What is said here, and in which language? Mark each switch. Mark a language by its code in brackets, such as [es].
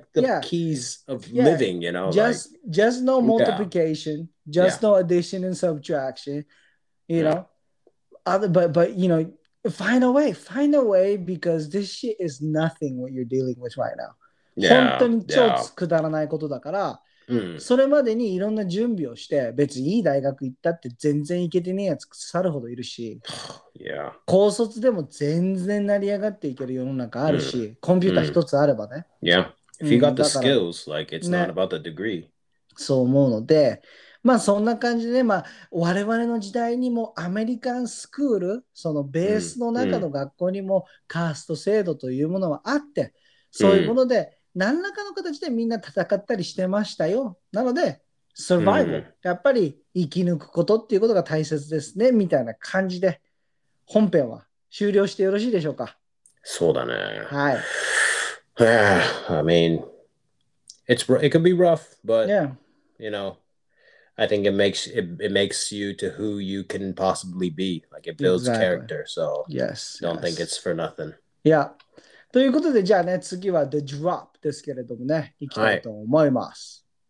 [en] It's not even like the keys of living, you know? Just no multiplication, no addition and subtraction, you know? But, find a way because this shit is nothing what you're dealing with right now. Yeah. [ja] 本当に超くだらないことだから、それまでにいろんな準備をして、別にいい大学行ったって全然行けてねえやつ腐るほどいるし、高卒でも全然成り上がっていける世の中あるし、コンピューター一つあればね。 [en] Yeah, if you got the skills, like it's not about the degree. [ja] そう思うので、まあそんな感じで、まあ我々の時代にもアメリカンスクール、そのベースの中の学校にもカースト制度というものはあって、そういうもので、何らかの形でみんな戦ったりしてましたよ。なので、サバイバル、やっぱり生き抜くことっていうことが大切ですね、みたいな感じで、本編は終了してよろしいでしょうか。そうだね。はい。 [en] I mean, it could be rough, but, you know, I think it makes you to who you can possibly be. Like it builds exactly. character. So yes, don't yes. think it's for nothing. Yeah. [ja] ということでじゃあね次は The Drop ですけれどもね行きたいと思います。